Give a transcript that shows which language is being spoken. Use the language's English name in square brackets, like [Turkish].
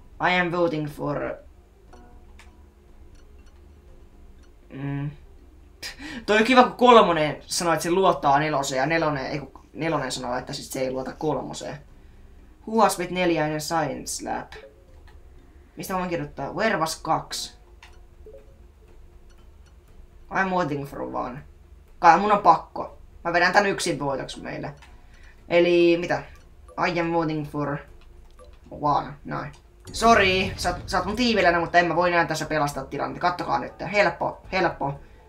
[English] I am voting for... [Finnish] Toi on kiva, kun kolmonen sanoi, että se luottaa neloseen, ja nelonen sanoi, että sit se ei luota kolmoseen. [English] Who was with 4 in a science lab? [Finnish] Mistä mä voin kirjoittaa? [English] Where was 2? I'm waiting for one. [Finnish] Kai mun on pakko. Mä vedän tän yksin voitoksi meille. Eli mitä? [English] I am waiting for one. [Finnish] Noin. Sori, sä oot mun tiiviläinen, mutta en mä voi näin tässä pelastaa tilannetta. Kattokaa nyt. Helppo.